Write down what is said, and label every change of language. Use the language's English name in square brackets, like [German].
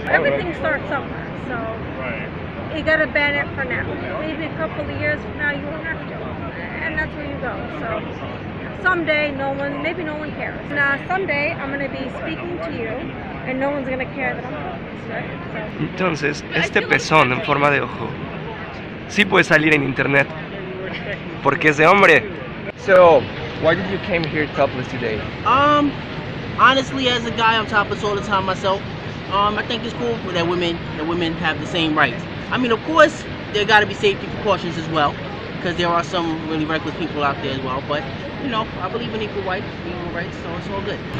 [English] Everything starts somewhere, so you gotta ban it for now. Maybe a couple of years from now you won't have to. And that's where you go. So someday no one cares. Now someday I'm gonna be speaking to you and no one's gonna care that I'm [Spanish] Entonces, este pezón en forma de ojo sí puede salir en internet porque es de hombre. [English] So, why did you came here topless today? Honestly, as a guy, I'm topless all the time myself. I think it's cool that women have the same rights. I mean, of course, there got to be safety precautions as well, because there are some really reckless people out there as well, but you know, I believe in equal rights, so it's all good.